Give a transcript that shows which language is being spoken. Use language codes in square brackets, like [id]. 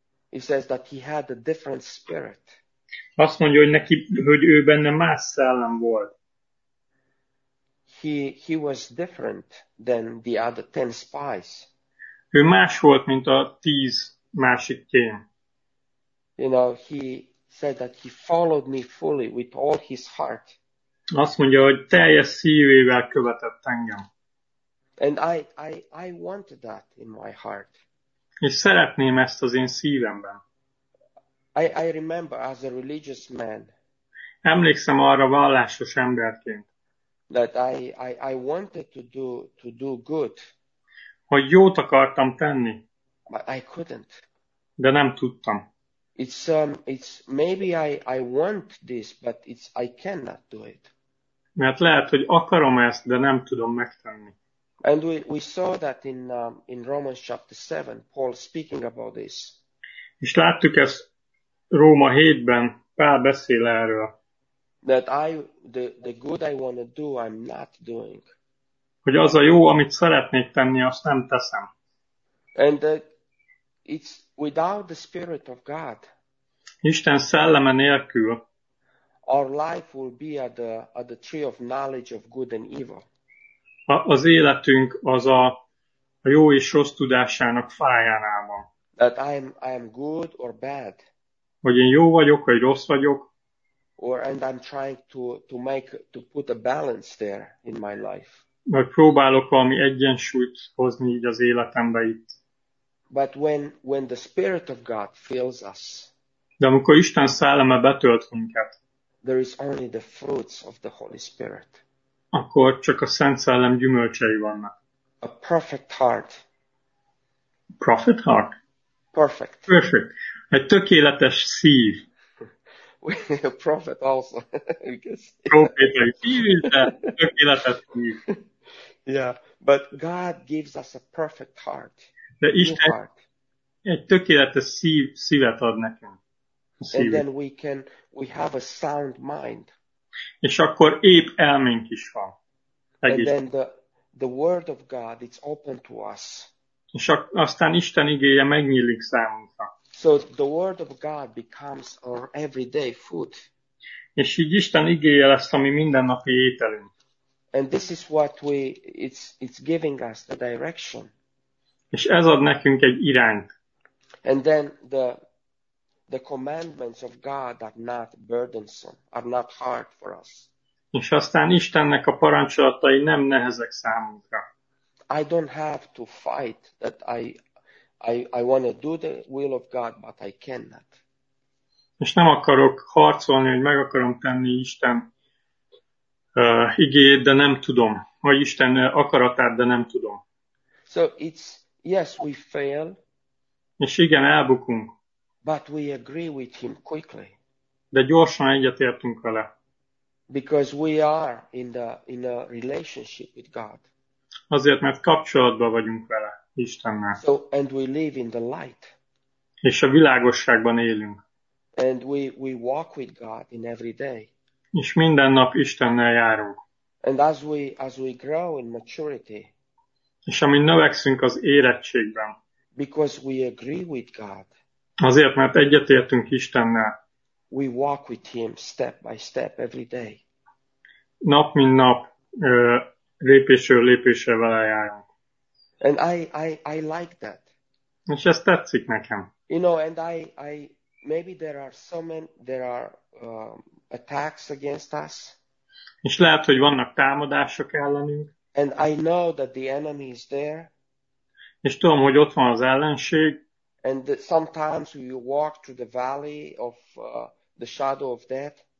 [en] He says that he had a different spirit. [hu] Azt mondja, hogy neki, hogy ő benne más szellem volt. [en] He was different than the other 10 spies. [hu] Ő más volt, mint a 10 másik kém. [en] You know, he said that he followed me fully with all his heart. [hu] Azt mondja, hogy teljes szívével követett engem. [en] And I wanted that in my heart. [hu] És szeretném ezt az én szívemben. [en] I remember as a religious man. [hu] Emlékszem arra vallásos emberként. [en] That I wanted to do good. [hu] Hogy jót akartam tenni. [en] But I couldn't. [hu] De nem tudtam. [en] It's maybe I want this, but it's I cannot do it. [hu] Mert lehet, hogy akarom ezt, de nem tudom megtenni. [en] And we saw that in Romans chapter 7, Paul speaking about this. [hu] És láttuk ezt Róma 7-ben, Pál beszél erről. [en] That I the good I want to do I'm not doing. [hu] Hogy az a jó, amit szeretnék tenni, azt nem teszem. [en] And it's without the Spirit of God. [hu] Isten szelleme nélkül. [en] Our life will be at the tree of knowledge of good and evil. [hu] Az életünk az a jó és rossz tudásának fájánál van. [en] That I am good or bad. [hu] Hogy én jó vagyok, vagy rossz vagyok. [en] Or and I'm trying to make to put a balance there in my life. [hu] Vagy próbálok valami egyensúlyt hozni így az életembe itt. [en] But when the Spirit of God fills us. [hu] De amikor Isten szelleme betölt minket. [en] There is only the fruits of the Holy Spirit. [hu] Akkor csak a Szent Szellem gyümölcsei vannak. [en] A perfect heart. Prophet heart. Perfect. [hu] Perfect. Egy tökéletes szív. [en] A prophet also. [hu] Prophetai szív, de tökéletes szív. [en] Yeah, but God gives us a perfect heart. [hu] De Isten egy tökéletes szívet ad nekünk. [en] And then we have a sound mind. [hu] És akkor épp elménk is van. [en] And then the word of God it's open to us. [hu] És aztán Isten igéje megnyílik számunkra. [en] So the word of God becomes our everyday food. [hu] És így Isten igéje lesz a mi mindennapi ételünk. [en] And this is what it's giving us the direction. [hu] És ez ad nekünk egy irányt. [en] And then the commandments of God are not burdensome, are not hard for us. [hu] És aztán Istennek a parancsolatai nem nehezek számunkra. [en] I don't have to fight that I want to do the will of God, but I cannot. [hu] És nem akarok harcolni, hogy meg akarom tenni Isten igéjét, de nem tudom. Vagy Isten akaratát, de nem tudom. [en] So it's, yes, we fail. [hu] És igen, elbukunk. [en] But we agree with him quickly. [hu] De gyorsan egyetértünk vele. [en] Because we are in a relationship with God. [hu] Azért, mert kapcsolatban vagyunk vele Istennel. [en] So and we live in the light. [hu] És a világosságban élünk. [en] And we walk with God in every day. [hu] És minden nap Istennel járunk. [en] And as we grow in maturity. [hu] És amint növekszünk az érettségben. [en] Because we agree with God. [hu] Azért, mert egyetértünk Istennel. [en] We walk with him step by step every day. [hu] Nap mint nap lépésről lépésre vele járunk. [en] And I like that. [hu] És ez tetszik nekem. [en] You know, and I maybe there are so many there are attacks against us. [hu] És lehet, hogy vannak támadások ellenünk. [en] And I know that the enemy is there. [hu] És tudom, hogy ott van az ellenség. [en] And sometimes we walk through the valley of the shadow of death.